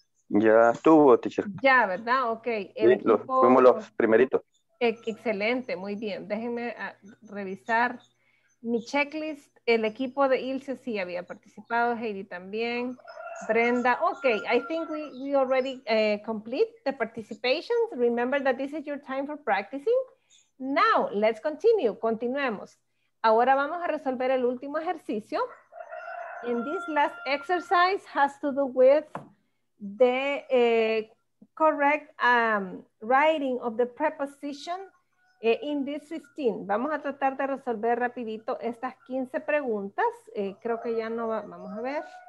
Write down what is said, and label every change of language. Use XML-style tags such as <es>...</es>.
<es>Ya estuvo, teacher. Ya, ¿verdad? Ok. El sí, equipo, fuimos los primeritos. Excelente, muy bien. Déjenme revisar mi checklist. El equipo de Ilse sí había participado, Heidi también.</es> <en>Brenda, okay, I think we already complete the participations. Remember that this is your time for practicing. Now, let's continue. Continuemos.</en> <es>Ahora vamos a resolver el último ejercicio.</es> <en>And this last exercise has to do with the correct writing of the preposition in this 15.</en> <es>Vamos a tratar de resolver rapidito estas 15 preguntas. Creo que ya no va, vamos a ver.</es>